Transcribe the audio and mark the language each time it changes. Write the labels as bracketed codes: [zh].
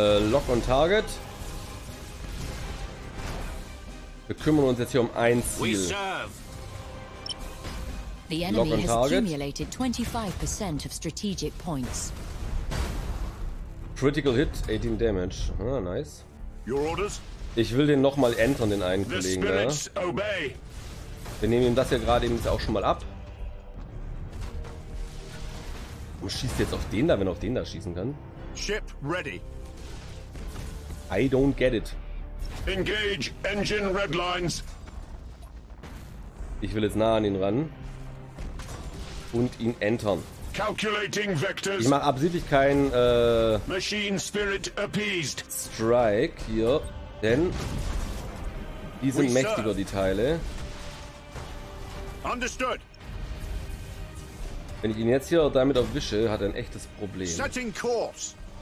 [en] Lock on Target. [de] Wir kümmern uns jetzt hier um ein Ziel. [en] The enemy Lock on Target. Has accumulated 25% of strategic points. Critical Hit, 18 Damage. Ah, nice. Your orders? [de] Ich will den nochmal entern, den einen Kollegen. [en] The spirits obey. [de] Wir nehmen ihm das ja gerade eben jetzt auch schon mal ab. Warum schießt jetzt auf den da, wenn er auf den da schießen kann? [en] Ship ready. I don't get it. Engage engine red lines. [de] Ich will jetzt nah an ihn ran und ihn entern. [en] Calculating vectors. [de] Ich mache absichtlich keinen [en] Machine Spirit appeased. [de] Strike hier, denn die sind mächtiger, die Teile. [en] Understood. [de] Wenn ich ihn jetzt hier damit erwische, hat er ein echtes Problem. [en] Setting course.